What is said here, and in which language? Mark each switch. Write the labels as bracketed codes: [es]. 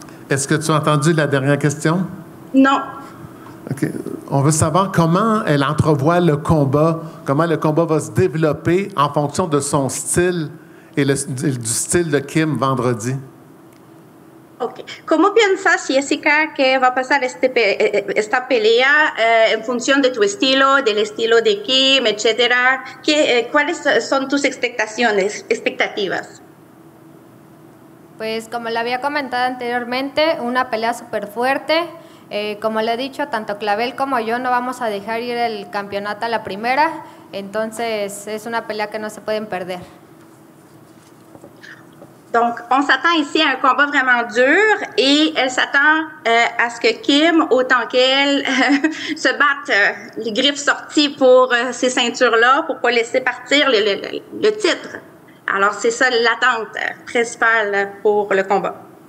[fr] Est-ce que tu as entendu la dernière question? Non. OK. On veut savoir comment elle entrevoit le combat, comment le combat va se développer en fonction de son style et du style de Kim vendredi. OK. [es] ¿Cómo piensas, Jessica, que va a pasar esta pelea en función de tu estilo, del estilo de Kim, etcétera? ¿Cuáles son tus expectativas? Pues como le había comentado anteriormente, una pelea súper fuerte. Como le he dicho, tanto Clavel como yo no vamos a dejar ir el campeonato a la primera. Entonces, es una pelea que no se pueden perder. [fr] Donc, on s'attend ici à un combat vraiment dur et elle s'attend à ce que Kim, autant qu'elle, se batte les griffes sorties pour ces ceintures-là, pour ne pas laisser partir le titre. Alors, c'est ça l'attente principale pour le combat.